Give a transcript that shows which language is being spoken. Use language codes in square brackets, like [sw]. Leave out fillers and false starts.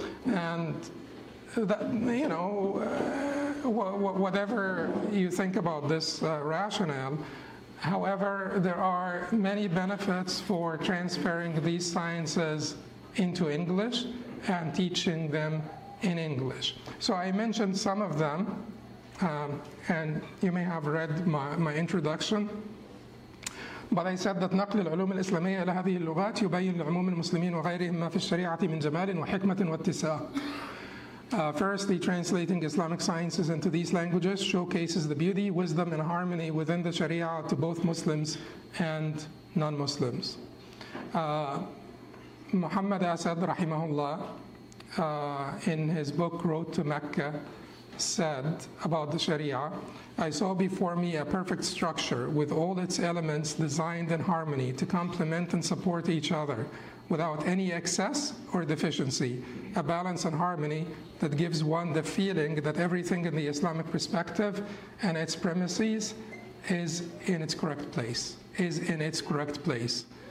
[en] And that, you know, whatever you think about this rationale, however, there are many benefits for transferring these sciences into English and teaching them in English. So I mentioned some of them, and you may have read my introduction. But I said that [ar] نقل العلوم الإسلامية إلى هذه اللغات يبين لعموم المسلمين وغيرهم ما في الشريعة من جمال وحكمة واتساع. [en] Firstly, translating Islamic sciences into these languages showcases the beauty, wisdom, and harmony within the Sharia to both Muslims and non-Muslims. Muhammad Asad, rahimahullah, in his book, Road to Mecca, said about the Sharia, I saw before me a perfect structure with all its elements designed in harmony to complement and support each other, without any excess or deficiency, a balance and harmony that gives one the feeling that everything in the Islamic perspective and its premises is in its correct place, is in its correct place.